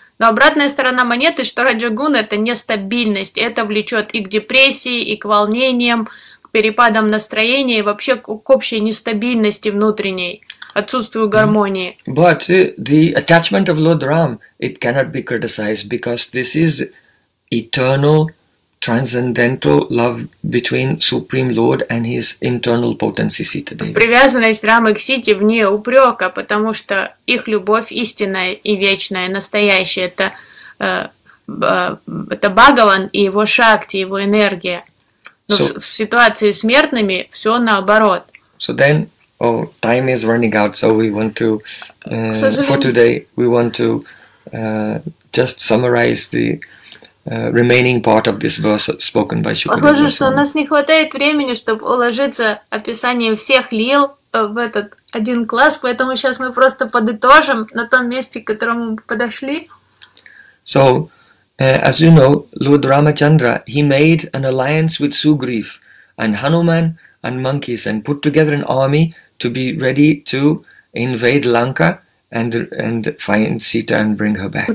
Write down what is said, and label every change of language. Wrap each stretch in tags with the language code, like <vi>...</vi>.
<ru>Но обратная сторона монеты, что раджагун – это нестабильность, это влечет и к депрессии, и к волнениям, к перепадам настроения, и вообще к общей нестабильности внутренней, отсутствию гармонии.</ru> <en>But the attachment of Lord Ram, it cannot be criticized, because this is eternal, transcendental love between Supreme Lord and His internal potency Sita Devi.</en> <ru>Привязанность Рамы к Сите вне упрека, потому что их любовь истинная и вечная, настоящая. Это Бхагаван и его шакти, его энергия. Но so, в ситуации с смертными все наоборот.</ru> <en>So then, oh, time is running out, so we want to for today we want to just summarize the remaining part of this verse spoken by Shukadeva.</en> <ru>Похоже, что у нас не хватает времени, чтобы уложиться описанием всех лил в этот один класс, поэтому сейчас мы просто подытожим на том месте, к которому мы подошли.</ru> <en>So, as you know, Lord Ramachandra, he made an alliance with Sugriv and Hanuman and monkeys and put together an army to be ready to invade Lanka and find Sita and bring her back.</en>